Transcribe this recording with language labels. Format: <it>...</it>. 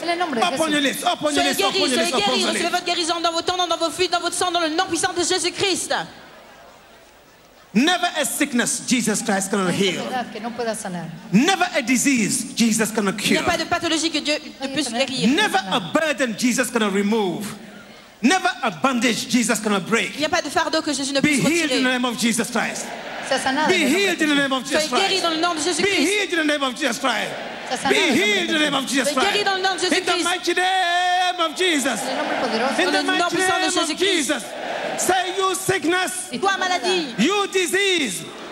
<en>Open your lips, open your lips, open your lips.</en> <fr>Soyez guéris, recevez votre guérison dans vos tendons, dans vos fluides, dans votre sang, dans le nom puissant de Jésus Christ.</fr> <en>Never a sickness Jesus Christ cannot heal. Never a disease Jesus cannot cure.</en> <fr>Il n'y a pas de pathologie que Dieu ne puisse guérir.</fr> <en>Never a burden Jesus cannot remove. Never a bandage Jesus cannot break.</en> <fr>Il n'y a pas de fardeau que Jésus ne puisse retirer.</fr> <en>Be healed in the name of Jesus Christ. Be healed in the name of Jesus Christ. Be healed in the name of Jesus Christ. Be healed in the name of Jesus Christ. In the mighty name of Jesus. In the mighty name of Jesus. Say, you sickness. You disease.</en>